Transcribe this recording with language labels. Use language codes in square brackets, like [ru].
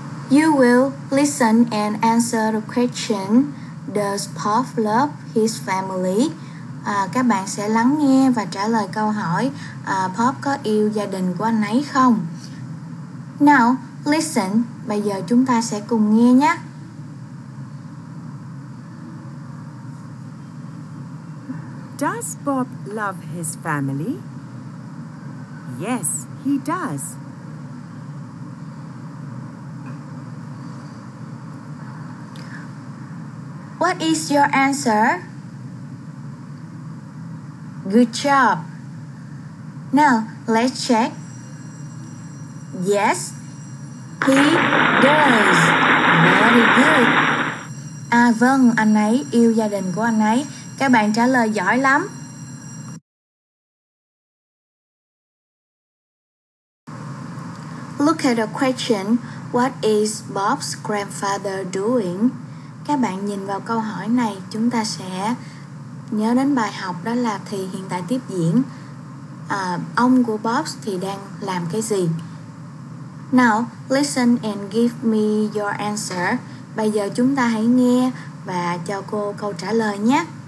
[en] You will listen and answer the question, does Puff love his family? [vi] Các bạn sẽ lắng nghe và trả lời câu hỏi, Puff có yêu gia đình của anh ấy không? [en] Now, listen. [vi] Bây giờ chúng ta sẽ cùng nghe nhé. [en] Does Bob love his family? Yes, he does. What is your answer? Good job. Now, let's check. Yes, he does. Very good. [vi] À vâng, anh ấy yêu gia đình của anh ấy. Các bạn trả lời giỏi lắm. [en] Look at the question, what is Bob's grandfather doing? [vi] Các bạn nhìn vào câu hỏi này, chúng ta sẽ nhớ đến bài học đó là thì hiện tại tiếp diễn. Ông của Bob thì đang làm cái gì? [en] Now, listen and give me your answer. [vi] Bây giờ chúng ta hãy nghe và cho cô câu trả lời nhé.